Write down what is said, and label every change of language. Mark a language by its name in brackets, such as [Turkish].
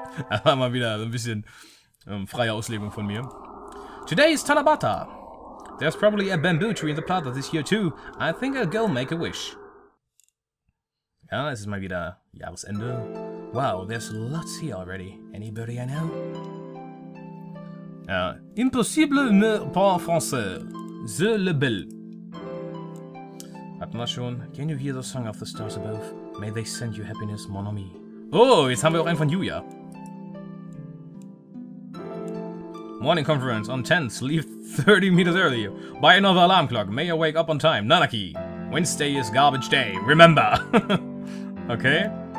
[German] Aber mal wieder so ein bisschen freie Auslegung von mir. [English] Today is Tanabata. There's probably a bamboo tree in the plaza this year too. I think I'll go make a wish. [German] Ja, es ist mal wieder Jahresende. [English] Wow, there's lots here already. Anybody I know? Ja. Impossible ne pas français. The label. Hatten wir schon. Can you hear the song of the stars above? May they send you happiness, [French] mon ami. [German] Oh, jetzt haben wir auch einen von Yuya. [English] Morning conference on 10th. Leave 30 meters early. Buy another alarm clock. May you wake up on time. Nanaki. Wednesday is garbage day. Remember. Okay.